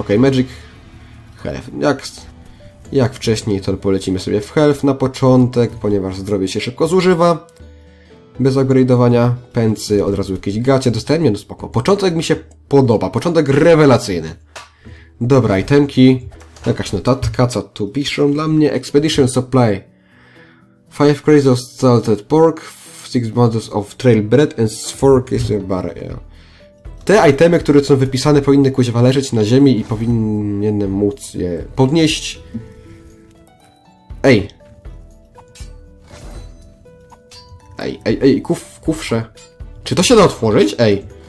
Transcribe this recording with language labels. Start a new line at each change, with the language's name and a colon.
Polish: Okej, okay,
English: magic health.
Polish: Jak wcześniej, to polecimy sobie w health na początek, ponieważ zdrowie się szybko zużywa. Bez upgrade'owania, pęcy, od razu jakieś gacie, dostałem? Nie, no spoko. Początek mi się podoba, początek rewelacyjny. Dobra, itemki, jakaś notatka, co tu piszą dla mnie?
English: Expedition Supply. 5 crates of salted pork, 6 bottles of trail bread and 4 cases of barrel.
Polish: Te itemy, które są wypisane, powinny kuźwa leżeć na ziemi i powinienem móc je podnieść. Ej! Ej, kufrze. Czy to się da otworzyć? Ej!